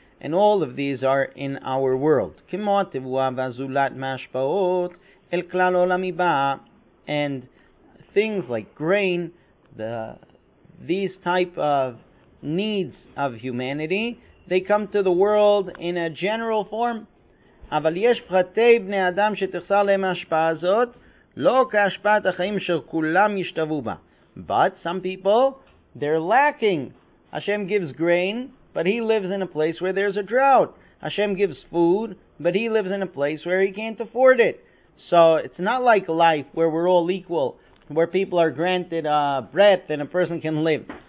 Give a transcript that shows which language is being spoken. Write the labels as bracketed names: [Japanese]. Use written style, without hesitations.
[English] And all of these are in our world. [Hebrew] Kimo ha-tevua v'azulat ma'ashpa'ot el klal ha-olam iba. [English] And things like grain, these type of needs of humanity, they come to the world in a general form. [Hebrew] אבל יש פרטי בני אדם שתחסר להם ההשפעה הזאת, לא כהשפעת החיים שכולם ישתוו בה. [English] But some people, they're lacking. Hashem gives grain, but he lives in a place where there's a drought. Hashem gives food, but he lives in a place where he can't afford it. So it's not like life where we're all equal, where people are granted a breath and a person can live.